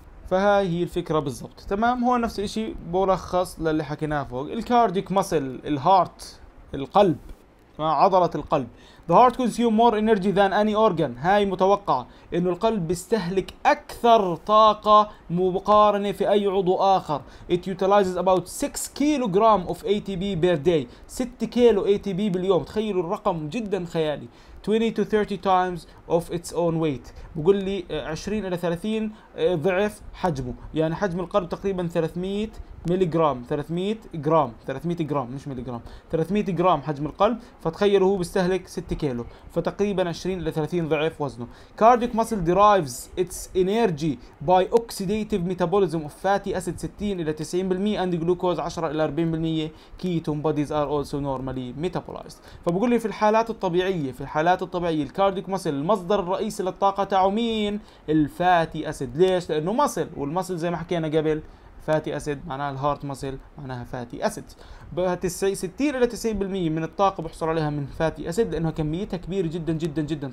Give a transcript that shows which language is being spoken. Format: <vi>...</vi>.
<ar>فهاي هي الفكرة بالضبط، تمام؟ هو نفس الشيء بلخص للي حكيناه فوق. الكارديك مسل الهارت القلب، عضلة القلب.</ar> <en>The heart consume more energy than any organ.</en> <ar>هاي متوقعة انه القلب بيستهلك اكثر طاقة مقارنة في اي عضو اخر.</ar> <en>It utilizes about 6 kilogram of ATP per day.</en> <ar>6 كيلو ATP باليوم، تخيلوا الرقم جدا خيالي.</ar> <en>20 to 30 times of its own weight.</en> <ar>بقول لي 20 الى 30 ضعف حجمه، يعني حجم القلب تقريبا 300 ملي جرام، 300 جرام مش ملي جرام، 300 جرام حجم القلب، فتخيلوا هو بيستهلك 6 كيلو، فتقريبا 20 الى 30 ضعف وزنه.</ar> <en>Cardiac muscle derives its energy by oxidative metabolism of fatty acid 60 الى 90% and glucose 10 الى 40%. Ketone bodies are also normally metabolized.</en> <ar>فبقول لي في الحالات الطبيعية، في الحالات الطبيعية الكارديك muscle المصدر الرئيسي للطاقة تاعه مين؟ الفاتي اسيد. ليش؟ لأنه مصل، والمصل زي ما حكينا قبل فاتي اسيد معناها الهارت مسل معناها فاتي اسيد. 60 الى 90% من الطاقة بحصل عليها من فاتي اسيد لانها كميتها كبيرة جدا جدا جدا.</ar>